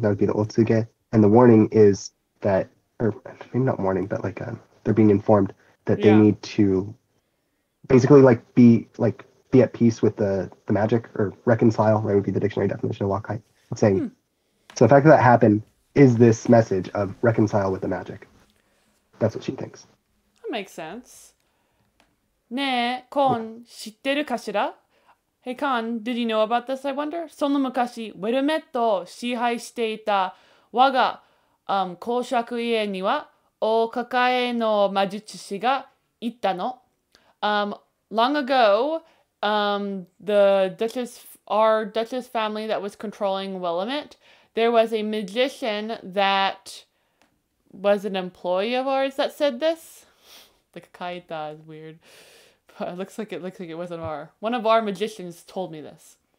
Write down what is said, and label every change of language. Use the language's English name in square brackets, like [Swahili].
[English] That would be the otsuge, and the warning is that, or maybe not warning, but they're being informed that they need to basically be at peace with the magic, or reconcile, right, would be the dictionary definition of wakai. It's saying, so the fact that happened is this message of reconcile with the magic. That's what she thinks. Makes sense. [Japanese] ねえ、コーン、知ってるかしら? [English] Hey, Khan, did you know about this, I wonder? [Japanese] その昔、ウェルメットを支配していた我が、公爵家には、お抱えの魔術師が言ったの。 [English] Long ago, our Duchess family that was controlling Willamette, there was a magician that was an employee of ours that said this. The kaita is weird, but it looks like it wasn't our one of our magicians told me this.